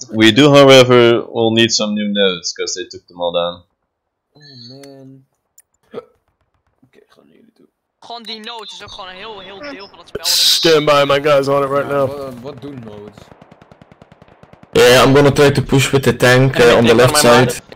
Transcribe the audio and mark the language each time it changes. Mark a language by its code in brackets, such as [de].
[en] We do however will need some new nodes, because they took them all down. Oh man. [nl] Oké, gewoon naar jullie toe. Gewoon die nodes is ook gewoon een heel deel van het spel. [en] Stand by, my guy's on it right now. [nl] Wat doen nodes? [en] Yeah, I'm gonna try to push with the tank on the left side.